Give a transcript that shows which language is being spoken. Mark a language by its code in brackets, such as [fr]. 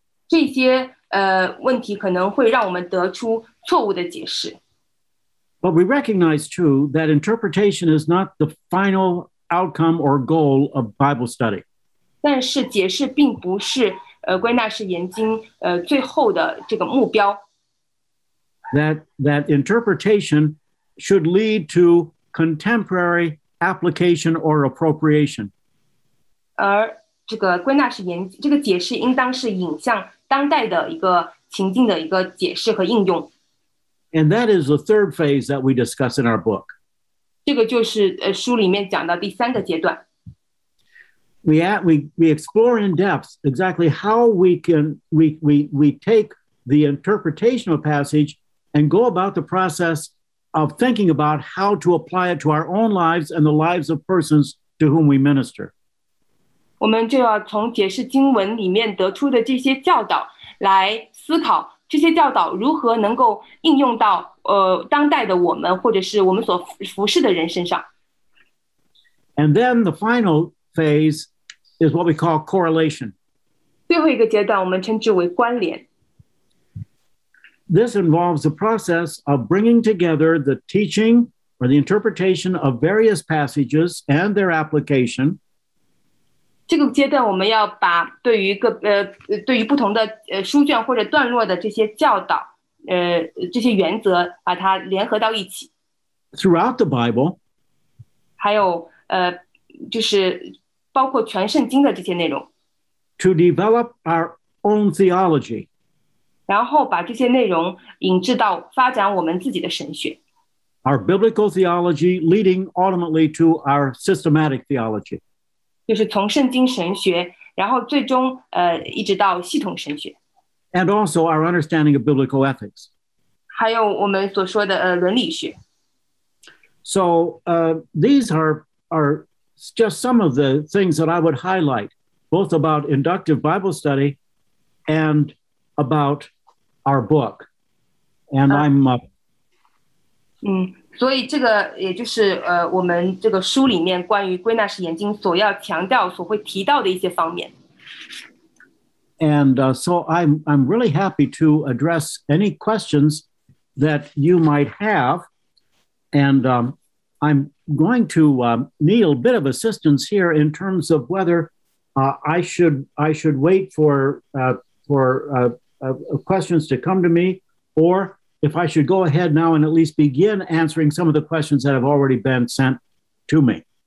[zh] 这些问题可能会让我们得出错误的解释。 [en] But we recognize too that interpretation is not the final outcome or goal of Bible study. [zh] 但是解释并不是归纳式研经最后的这个目标。 [en] That interpretation should lead to contemporary application or appropriation. [zh] 而这个归纳式研这个解释应当是引向当代的一个情境的一个解释和应用。 [en] And that is the third phase that we discuss in our book. [zh] 这个就是书里面讲到第三个阶段。 [en] We explore in depth exactly how we take the interpretation of passage. And go about the process of thinking about how to apply it to our own lives and the lives of persons to whom we minister. [zh] 我们就要从解释经文里面得出的这些教导来思考这些教导如何能够应用到当代的我们或者是我们所服侍的人身上。 [en] And then the final phase is what we call correlation. [zh] 最后一个阶段我们称之为关联。 [en] This involves the process of bringing together the teaching or the interpretation of various passages and their application. [zh] 这个阶段我们要把对于不同的书卷或者段落的这些教导这些原则把它联合到一起。 [en] Throughout the Bible. [zh] 还有就是包括全圣经的这些内容。 [en] To develop our own theology. [zh] 然后把这些内容引致到发展我们自己的神学。 [en] Our biblical theology leading ultimately to our systematic theology. [zh] 就是从圣经神学然后最终一直到系统神学。 [en] And also our understanding of biblical ethics. [zh] 还有我们所说的伦理学。 [en] So these are just some of the things that I would highlight, both about inductive Bible study and... about our book. And I'm... [zh] 所以这个也就是我们这个书里面关于归纳式研经所要强调所会提到的一些方面。 [en] And so I'm really happy to address any questions that you might have. And I'm going to need a bit of assistance here in terms of whether I should wait for questions to come to me, or if I should go ahead now and at least begin answering some of the questions that have already been sent to me.